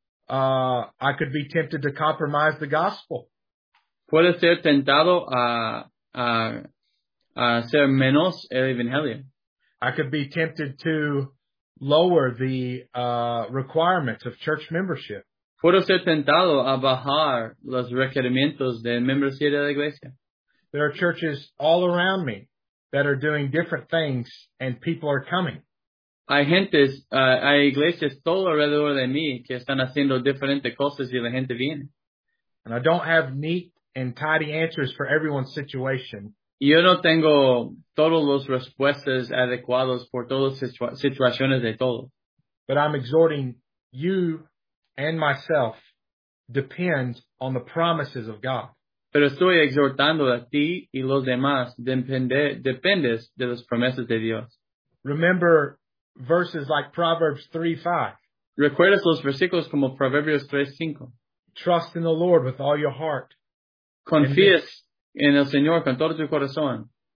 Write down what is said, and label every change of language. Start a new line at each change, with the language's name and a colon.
English: I could be tempted to compromise the gospel.
Spanish: Puedo ser tentado a ser menos el evangelio.
English: I could be tempted to lower the requirements of church membership.
Spanish: Puedo ser tentado a bajar los requerimientos de membresía de la iglesia.
English: There are churches all around me that are doing different things and people are coming.
Spanish: Hay gentes, hay iglesias todo alrededor de mí que están haciendo diferentes cosas y la gente viene.
English: And I don't have neat and tidy answers for everyone's situation.
Spanish: Yo no tengo todos los respuestas adecuadas por todas las situaciones de todos.
English: But I'm exhorting you and myself depend on the promises of God.
Spanish: Pero estoy exhortando a ti y los demás dependes de las promesas de Dios.
English: Remember verses like Proverbs 3:5.
Spanish: Recuerdas los versículos como Proverbios 3:5.
English: Trust in the Lord with all your heart.
Spanish: Confías en el Señor con todo tu corazón.